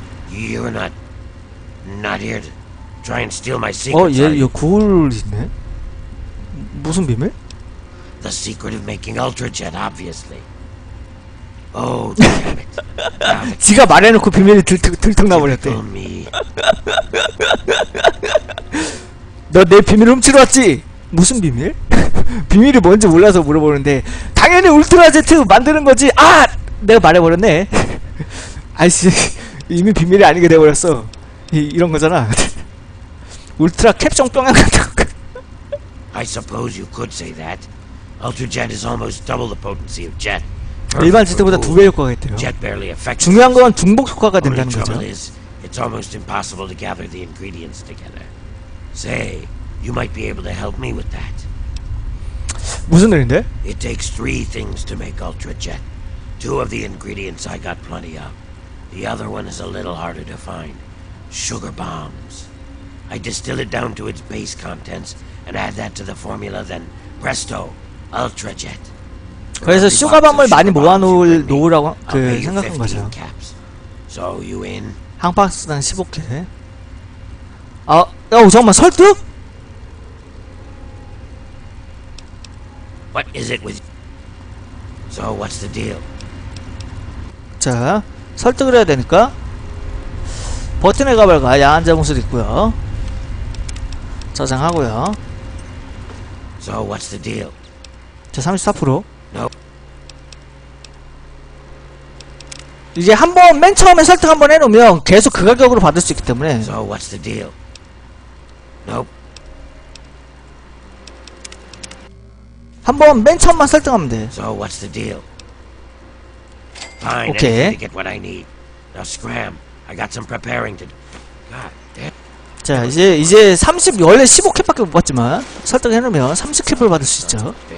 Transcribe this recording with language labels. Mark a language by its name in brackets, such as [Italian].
[English] You're not here to try and steal my secret. [Korean] 어, 얘 구울 있네. 무슨 비밀? [English] The secret of making Ultra Jet, obviously. Oh, damn it. [Korean] 지가 말해놓고 비밀이 들통 나버렸대. [English] Tell me. [Korean] 너 내 비밀 훔치러 왔지? 무슨 비밀? 비밀이 뭔지 몰라서 물어보는데 당연히 울트라 제트 만드는 거지. 아, 내가 말해버렸네. 아이씨. 이미 비밀이 아니게 되어버렸어. 이런 거잖아. 울트라 캡정 병약 같은 거. [English] I suppose you could say that. Ultra Jet is almost double the potency of Jet. [Korean] 일반 제트보다 두 배 효과가 있대요. 중요한 건 중복 효과가 된다는 거죠. [English] It's almost impossible to gather the ingredients together. Say, you might be able to help me with that. [Korean] 무슨 일인데? [English] It takes three things to make Ultra Jet. Two of the ingredients I got plenty of. The other one is a little harder to find. Sugar bombs. I distill it down to its base contents and add that to the formula, then presto, Ultra Jet. [Korean] 그래서 슈가밤을 많이 모아놓으라고 그 생각한 거죠. [English] So you in? [Korean] 한 박스당 15개. 아, 잠깐만 설득? [English] What is it with? So what's the deal? [Korean] 자. 설득을 해야 되니까 버튼의 가발과 야한 잠옷을 입고요. 저장하고요. [English] So what's the deal? [Korean] 저 34%. [English] No. [Korean] 이제 한번 맨 처음에 설득 한번 해 놓으면 계속 그 가격으로 받을 수 있기 때문에. [English] So what's the deal? No. [Korean] 한번 맨 처음만 설득하면 돼. [English] So what's the deal? Fine, okay. I need to get what I need. Now scram. I got some preparing to do. God damn. [Korean] 자, 이제 30, 원래 15캡밖에 못 받지만 설득해놓으면 30캡을 받을 수 있죠.